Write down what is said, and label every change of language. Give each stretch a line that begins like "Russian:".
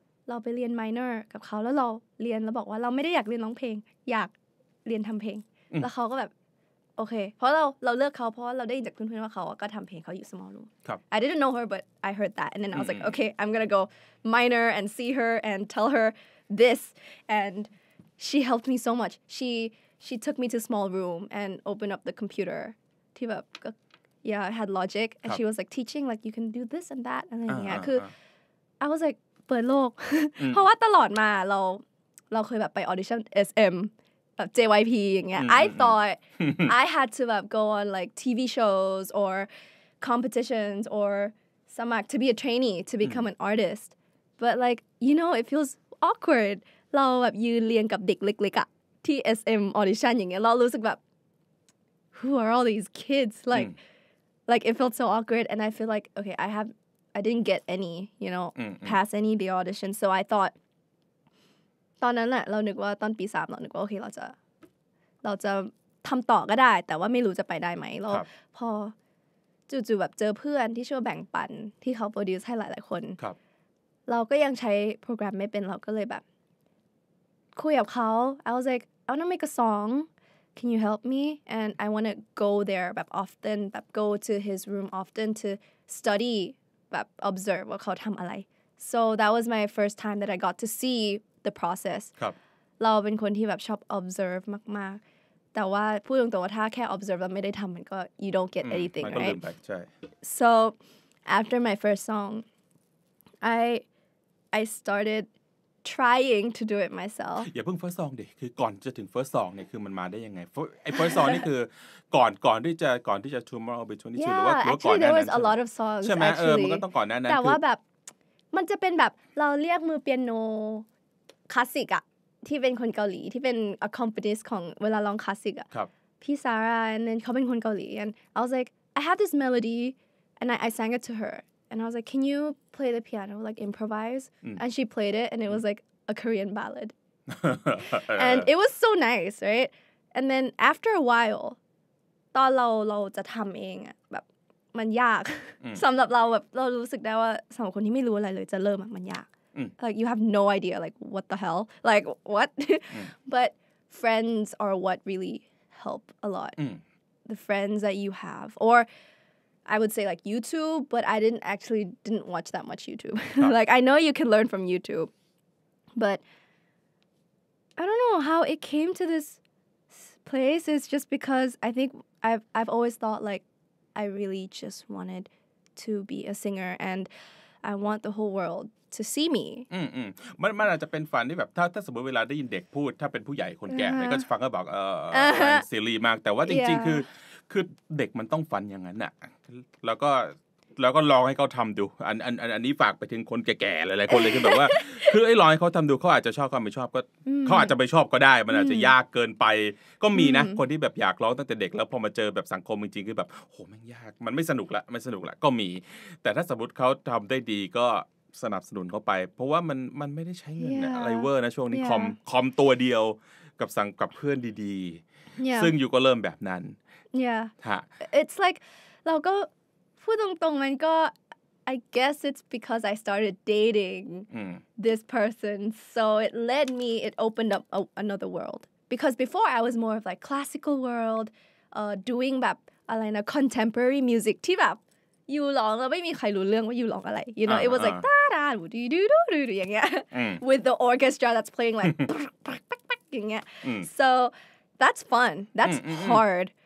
Thai: ราไปเรียน minor กับเขาแล้วเราเรียนแล้วบอกว่าเราไม่ได้อยากเรียนร้องเพลงอยากเรียนทำเพลงแล้วเขาก็แบบโอเคเพราะเราเลือกเขาเพราะเราได้ยินจากเพื่อนๆว่าเขาก็ทำเพลงเขาอยู่
English: small room I didn't know her but I heard that and then I was like okay I'm gonna go minor and see her and tell her this and she helped me so much She took me to small room and opened up the computer.
Thai: ที่แบบ
English: yeah, had logic. And she was like teaching, like, you can do this and that. And then, yeah. คือ I was like,
Thai: เปิดโลกเพราะว่าตลอดมาเราเคยแบบไป audition SM, แบบ JYP อย่างเงี้ย
English: I thought I had to แบบ go on, like, TV shows or competitions or สมัคร to be a trainee, to become an artist. But, like, you know, it feels awkward.
Thai: เราแบบยืนเรียนกับเด็กเล็กๆอ่ะTSM audition อย่างเงี้ยเรารู้สึกแบบ
English: who are all these kids like it felt so awkward and I feel like okay I didn't get any you know pass any the audition so I thought
Thai: ตอนนั้นแหละเรานึกว่าตอนปีสามเรานึกว่าโอเคเราจะทำต่อก็ได้แต่ว่าไม่รู้จะไปได้ไหมแล้วพอจู่ๆแบบเจอเพื่อนที่ช่วยแบ่งปันที่เขาโปรดิวซ์ให้หลายๆคน เ ราก็ยังใช้โปรแกรมไม่เป็นเราก็เลยแบบคุยกับเขา
English: I was like I want to make a song can you help me and I want to go there แบบ often แบบ go to his room often to study
Thai: แบบ observe ว่าเขาทำอะไร
English: so that was my first time that I got to see the process ครับ
Thai: เราเป็นคนที่แบบชอบ observe มากๆแต่ว่าพูดตรงๆว่าถ้าแค่ observe แล้วไม่ได้ทำมันก็
English: you don't get anything right
Thai: มันก็ลืมไปใช่
English: so after my first song I startedTrying to do it myself.
Thai: อย่าเพิ่ง first song ดิคือก่อนจะถึง first song เนี่ยคือมันมาได้ยังไง first song นี่คือก่อนที่จะ tomorrow between
English: two
Thai: หรือว่าก่อนหน้านั้นใช่
English: Yeah, actually there was a lot of songs actually.
Thai: ใช่ไหมเออมันก็ต้องก่อนหน้านั้น แต่ว่าแบบมันจะเป็นแบบเราเรียกมือเปียโนคลาสสิกอะที่เป็นคนเกาหลีที่เป็น accompanist ของเวลาร้องคลาสสิกอะ ครับ
English: พี่ซาร่า and then เขาเป็นคนเกาหลี and I was like I have this melody and I sang it to her. And I was like, can you play the piano, like improvise? And she played it, and it was like a Korean ballad. And it was so nice, right?
Thai: And then after a while, ตอนเราจะทำเองแบบมันยากสำหรับเราแบบเรารู้สึกได้ว่าสำหรับคนที่ไม่รู้อะไรเลยจะเริ่มมันยาก
English: Like you have no idea, like what the hell, like what? But friends are what really help a lot. The friends that you have, orI would say like YouTube, but I didn't watch that much YouTube. Like I know you can learn from YouTube, but I don't know how it came to this place. It's just because I think I've always thought like I really just wanted to be a singer and I want the whole world to see me.
Thai: มันอาจจะเป็นฝันที่แบบถ้าสมมติเวลาได้ยินเด็กพูดถ้าเป็นผู้ใหญ่คนแก่ไปก็จะฟังก็บอกเออซีรีส์มากแต่ว่าจริงๆคือเด็กมันต้องฝันอย่างนั้นน่ะแล้วก็ลองให้เขาทำดูอันนี้ฝากไปถึงคนแก่ๆหลายๆคนเลยคือแบบว่าคือไอ้ลองให้เขาทำดูเขาอาจจะชอบเขาไม่ชอบก็เขาอาจจะไม่ชอบก็ได้มันอาจจะยากเกินไปก็มีนะคนที่แบบอยากร้องตั้งแต่เด็กแล้วพอมาเจอแบบสังคมจริงๆคือแบบโหมันยากมันไม่สนุกละก็มีแต่ถ้าสมมติเขาทำได้ดีก็สนับสนุนเขาไปเพราะว่ามันไม่ได้ใช้เงินอะไรเวอร์นะช่วงนี้คอมตัวเดียวกับเพื่อนดี ๆ ซึ่งอยู่ก็เริ่มแบบนั้น
English: Yeah. Ha. It's like,
Thai: เราก็พูดตรงๆมันก็
English: I guess it's because I started dating this person. So it opened up another world. Because before I was more of like classical world, doing แบบอะไรนะ contemporary music
Thai: ที่แบบอยู่ร้องแล้วไม่มีใครรู้เรื่องว่าอยู่ร้องอะไร
English: You know, it was like ta da do do do do do อย่างเงี้ย With the orchestra that's playing like อย่างเงี้ย So that's fun. That's hard.